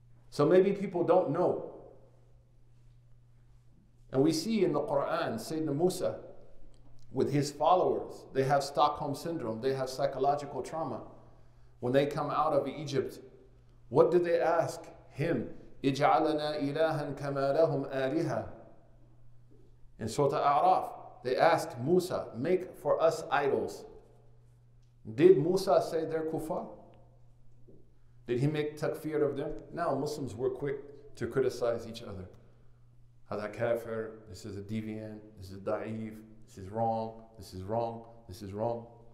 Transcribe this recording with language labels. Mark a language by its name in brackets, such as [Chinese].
[English] So maybe people don't know. And we see in the Quran, Sayyidina Musa, with his followers, they have Stockholm Syndrome, they have psychological trauma. When they come out of Egypt, what did they ask him? [Arabic] اجعلنا إلهاً كما لهم آلهة. [English] In Surah A'raf, they asked Musa, make for us idols. Did Musa say they're kufar? Did he make takfir of them? Now Muslims were quick to criticize each other. [Arabic] Hada kafir, [English] this is a deviant, this is da'if, this is wrong, this is wrong, this is wrong.